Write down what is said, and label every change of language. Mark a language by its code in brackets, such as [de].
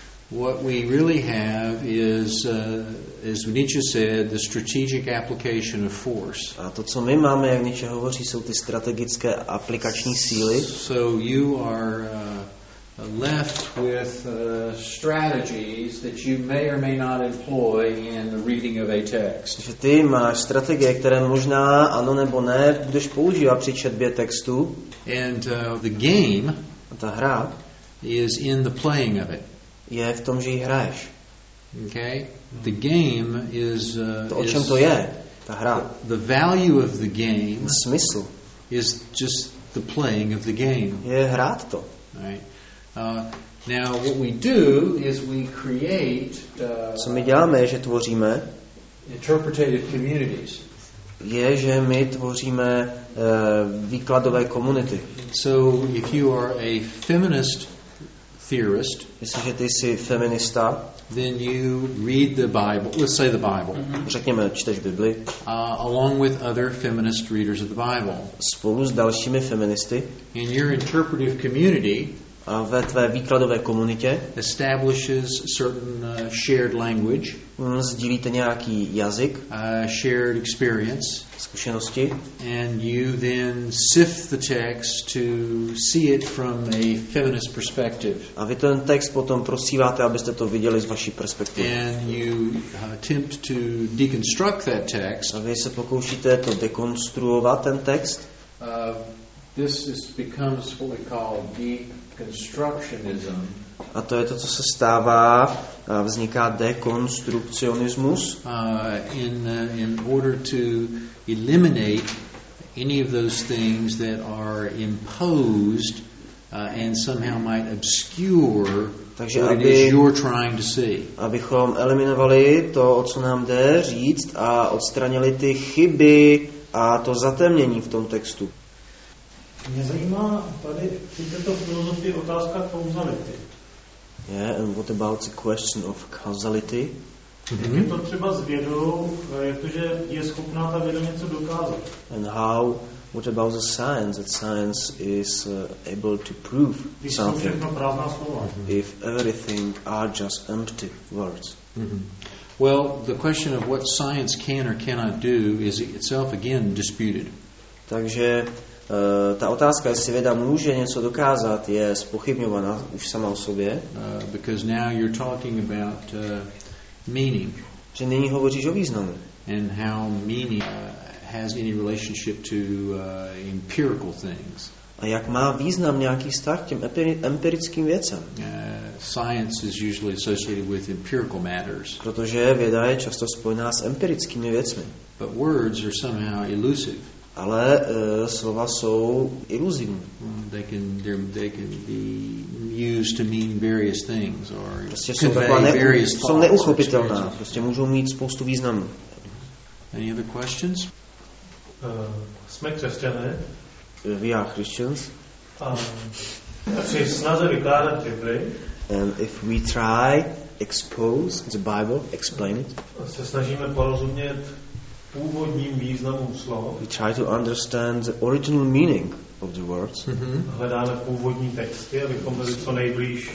[en] What we really have is as Nietzsche said, the strategic application of force. [cs] A to, co my máme, jak Nietzsche hovoří, jsou ty strategické aplikační síly. [en] So you are left with strategies that you may or may not employ in the reading of a text. [cs] Že ty máš strategie, které možná ano nebo ne budeš používat při četbě textu. [en] And the game, [cs] ta hra, [en] is in the playing of it. [cs] Je v tom, že ji hraješ. [en] Okay? The game is [cs] to, o čem to je? Ta hra. [en] The value of the game, [cs] smysl, [en] is just the playing of the game. [cs] Je hrát to. [en] Right? Now what we do is we create [cs] co my děláme, je, že tvoříme [en] interpretative communities. [cs] Je, že my tvoříme výkladové komunity. [en] So if you are a feminist theorist, [cs] jestliže ty jsi feminista, [en] then you read the Bible, let's say the Bible. [cs] Mm-hmm. Řekněme, čteš Bibli. [en] Along with other feminist readers of the Bible. [cs] Spolu s dalšími feministy. [en] In your interpretive community, [cs] ve tvé výkladové komunitě. [en] Establishes certain shared language. [cs] Sdílíte nějaký jazyk. [en] Shared experience. [cs] Zkušenosti. [en] And you then sift the text to see it from a feminist perspective. [cs] A vy ten text potom prosíváte, abyste to viděli z vaší perspektivy. [en] And you attempt to deconstruct that text. [cs] A vy se pokoušíte to dekonstruovat ten text. [en] This is becomes what we call deconstructionism. [cs] A to je to, co se stává, vzniká dekonstrukcionismus. [en] In order to eliminate any of those things that are imposed and somehow might obscure. [cs] Takže [en] what [cs] aby, [en] it is you're trying to see. [cs] Abychom eliminovali to, o co nám jde říct, a odstranili ty chyby a to zatemnění v tom textu. Mě zajímá tady při této filozofii otázka kauzality. [en] Yeah, and what about the question of causality? Mm-hmm. [cs] Jak je to třeba s vědou, jak to, že je schopná ta věda něco dokázat? [en] And how, what about the science, that science is able to prove [cs] když Když jsou všechno prázdná slova. Mm-hmm. [en] If everything are just empty words. Mm-hmm. Well, the question of what science can or cannot do is itself again disputed. [cs] Takže ta otázka, jestli věda může něco dokázat, je zpochybňovaná už sama o sobě. [en] Because now you're talking about meaning. [cs] Že nyní hovoříš o významu. [en] And how meaning has any relationship to empirical things. [cs] A jak má význam nějaký vztah k těm empirickým věcem? [en] Science is usually associated with empirical matters. [cs] Protože věda je často spojená s empirickými věcmi. [en] But words are somehow elusive. [cs] Ale slova jsou iluzivní. [en] They can be used to mean various things or [cs] prostě jsou taková [en] various thoughts. [cs] Jsou neuchopitelná. Prostě můžou mít spoustu významů. [en] Any other questions? [cs] Jsme křesťané. [en] We are Christians. [cs] Takže snaze vykládat Bibli. [en] And if we try expose the Bible, explain it. [cs] Se snažíme porozumět původním významům slov. [en] We try to understand the original meaning of the words. Mm-hmm. [cs] Hledáme původní texty, abychom byli co nejblíž.